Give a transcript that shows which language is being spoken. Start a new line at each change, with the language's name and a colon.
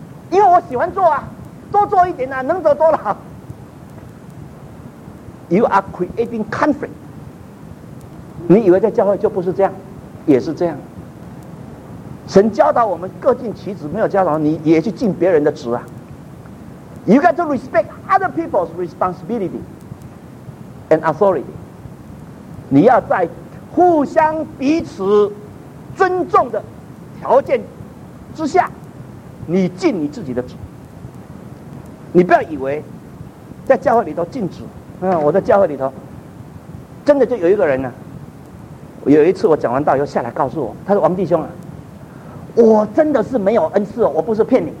Chinese: 因为我喜欢做啊，多做一点啊，能做多了。
English: You are creating conflict。
Chinese: 你以为在教会就不是这样，也是这样。神教导我们各尽其职，没有教导你也去尽别人的职啊。
English: You got to respect other people's responsibility and authority.
Chinese: 你要在互相彼此尊重的条件之下，你尽你自己的职。你不要以为在教会里头尽职，我在教会里头真的就有一个人呢、有一次我讲完道又下来告诉我，他说王弟兄啊，我真的是没有恩赐哦，我不是骗你。